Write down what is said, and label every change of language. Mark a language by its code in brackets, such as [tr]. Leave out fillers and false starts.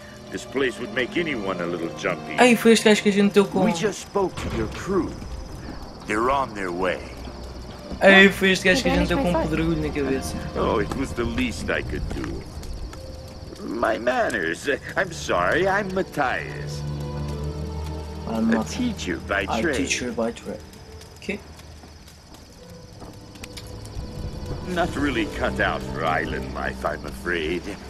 [en] This place would make anyone a little jumpy. [pt] Aí foi este gajo que a gente deu com. [en] We just spoke to your crew. They're on their way. [pt] Aí foi este gajo que a gente deu com um pedregulho na cabeça. [en] Oh, it was the least I could do. My manners. I'm sorry, I'm Matthias. I'm a teacher by trade. Okay. Not really cut out for island life, I'm afraid.